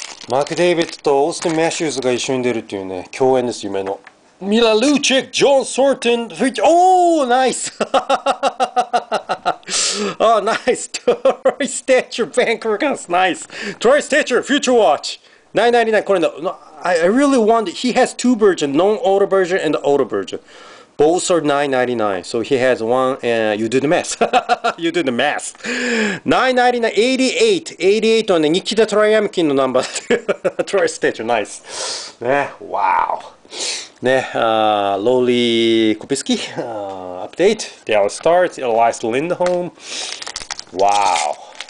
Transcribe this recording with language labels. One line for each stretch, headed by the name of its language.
Japanese: マーク・デイビッドとオースティン・マッシューズが一緒に出るっていうね、共演です、夢の。ミラ・ルーチェック、ジョン・ソーテン、フィッチ、おー、ナイスあー、ナイス。トロイ・ステッチュー、バンク・ロガンス、ナイス。トロイ・ステッチュー、フューチャー・ウォッチ。 999、これだ。
English: I really want it. He has two versions, non-auto version and auto version. Both are $9.99, so he has one, and you did the math. you did the math.
Japanese: $9.99, $88 はね、ニキタ・トライアムキンのナンバー。トライステッチ、ナイス。ね、ワーオ。ね、ローリー・コピスキー、アップデート。デアル・スターツ、エライス・リンドホーム。ワーオ。